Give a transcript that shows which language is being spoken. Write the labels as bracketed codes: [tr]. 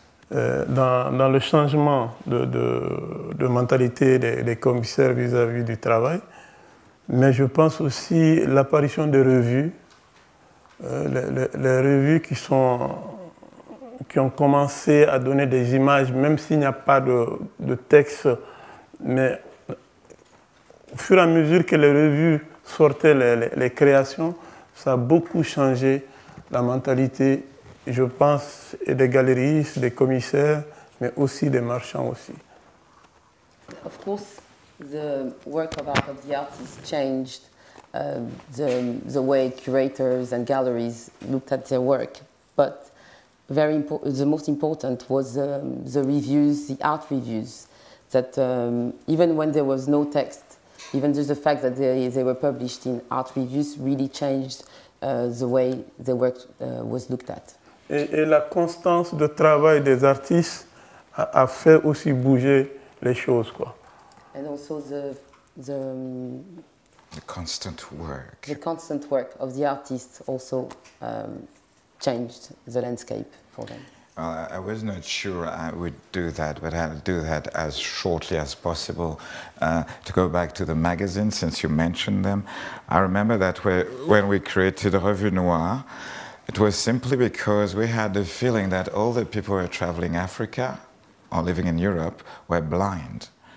[fr] Dans le changement de mentalité des commissaires vis-à-vis du travail, mais je pense aussi l'apparition des revues, les revues qui ont commencé à donner des images, même s'il n'y a pas de texte, mais au fur et à mesure que les revues sortaient les créations, ça a beaucoup changé la mentalité. Je pense et des galeries, des commissaires, mais aussi des marchands aussi. [en] Of course, the work of art of the artists changed the way curators and galleries looked at their work. But the most important was the reviews, the art reviews, that even when there was no text, even just the fact that they were published in art reviews really changed the way the work was looked at. [fr] Et la constance de travail des artistes a fait aussi bouger les choses, quoi. [en] And also the constant work. The constant work of the artists also changed the landscape for them. Well, I was not sure I would do that, but I'll do that as shortly as possible. To go back to the magazine, since you mentioned them, I remember that when we created Revue Noire, it was simply because we had the feeling that all the people who were traveling Africa or living in Europe were blind.